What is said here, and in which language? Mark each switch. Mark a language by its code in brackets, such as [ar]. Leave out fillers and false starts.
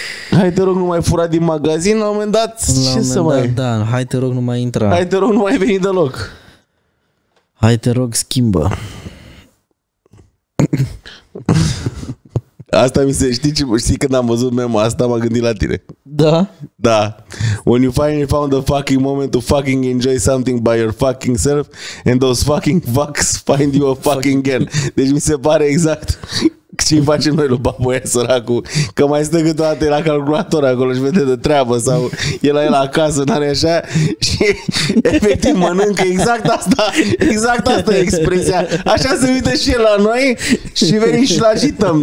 [ro] Hai te rog nu mai fura din magazin, la un moment dat la ce moment să dat, mai... Da, hai te rog nu mai intra. Hai te rog nu mai veni deloc. Hai te rog schimbă. Asta mi se, știi ce, știi când am văzut memo asta, m-am gândit la tine. Da? Da. [en] When you finally found the fucking moment to fucking enjoy something by your fucking self and those fucking fucks find you a fucking gen. [ro] Deci mi se pare exact ce-i facem noi lui Baboia săracu, că mai stă câteodată la calculator acolo și vede de treabă sau e la el acasă, n-are așa și efectiv mănâncă exact asta, exact asta e expresia. Așa se uită și el la noi și venim și la agităm.